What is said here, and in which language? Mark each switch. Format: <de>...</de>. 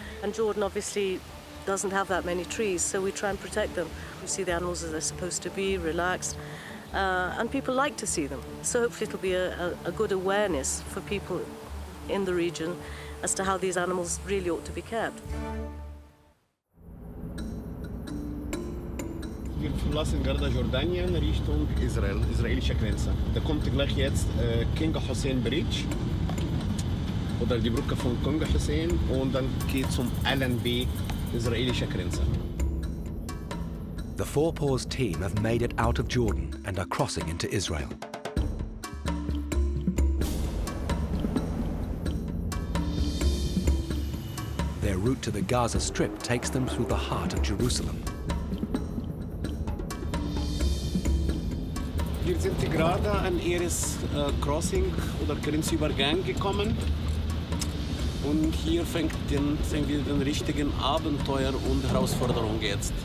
<en>And Jordan obviously doesn't have that many trees, so we try and protect them. We see the animals as they're supposed to be, relaxed, and people like to see them. So hopefully it'll be a good awareness for people in the region as to how these animals really ought to be kept.</en> <de>Wir verlassen gerade Jordanien Richtung Israel, israelische Grenze. Da kommt gleich jetzt King Hussein Bridge oder die Brücke von King Hussein und dann geht zum Allenby, israelische Grenze.</de> <en>The Four Paws team have made it out of Jordan and are crossing into Israel. Their route to the Gaza Strip takes them through the heart of Jerusalem.</en> <de>Wir sind gerade an ihres Crossing oder Grenzübergang gekommen. Und hier sehen wir den richtigen Abenteuer und Herausforderung jetzt.</de>